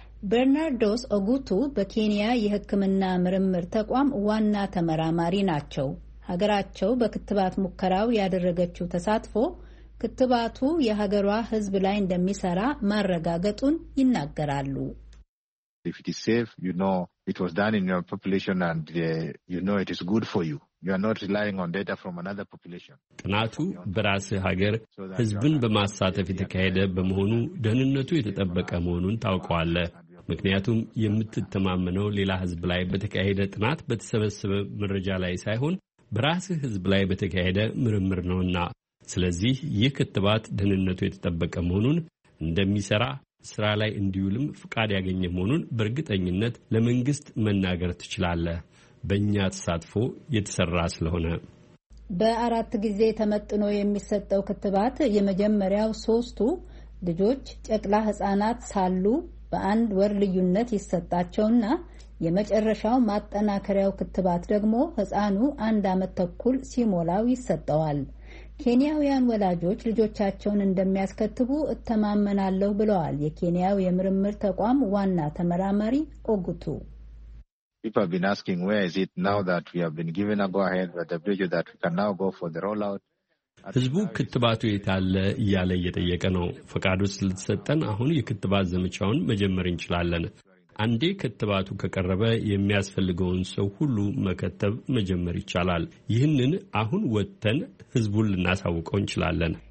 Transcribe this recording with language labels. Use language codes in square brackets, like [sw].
[am] በርናርዶስ ኦጉቱ በኬንያ የሕክምና ምርምር ተቋም ዋና ተመራማሪ ናቸው። ሀገራቸው በክትባት ሙከራው ያደረገችው ተሳትፎ ክትባቱ የሀገሯ ሕዝብ ላይ እንደሚሰራ ማረጋገጡን ይናገራሉ። [en] If it is safe, you know it was done in your population and you know it is good for you. You are not relying on data from another population. [am] ጥናቱ በራስህ ሀገር ህዝብን በማሳተፍ የተካሄደ በመሆኑ ደህንነቱ የተጠበቀ መሆኑን ታውቀዋለህ። ምክንያቱም የምትተማመነው ሌላ ህዝብ ላይ በተካሄደ ጥናት በተሰበሰበ መረጃ ላይ ሳይሆን በራስህ ህዝብ ላይ በተካሄደ ምርምር ነውና፣ ስለዚህ ይህ ክትባት ደህንነቱ የተጠበቀ መሆኑን እንደሚሰራ ስራ ላይ እንዲውልም ፍቃድ ያገኘ መሆኑን በእርግጠኝነት ለመንግስት መናገር ትችላለህ። በእኛ ተሳትፎ የተሰራ ስለሆነ በአራት ጊዜ ተመጥኖ የሚሰጠው ክትባት የመጀመሪያው ሶስቱ ልጆች ጨቅላ ህፃናት ሳሉ በአንድ ወር ልዩነት ይሰጣቸውና የመጨረሻው ማጠናከሪያው ክትባት ደግሞ ህፃኑ አንድ አመት ተኩል ሲሞላው ይሰጠዋል። ኬንያውያን ወላጆች ልጆቻቸውን እንደሚያስከትቡ እተማመናለሁ ብለዋል የኬንያው የምርምር ተቋም ዋና ተመራማሪ ኦጉቱ። [en] People have been asking where is it now that we have been given a go ahead by the WHO that we can now go for the rollout. [am] ህዝቡ ክትባቱ የታለ እያለ እየጠየቀ ነው። ፈቃዱ ስለተሰጠን አሁን የክትባት ዘመቻውን መጀመር እንችላለን። አንዴ ክትባቱ ከቀረበ የሚያስፈልገውን ሰው ሁሉ መከተብ መጀመር ይቻላል። ይህንን አሁን ወጥተን ህዝቡን ልናሳውቀው እንችላለን።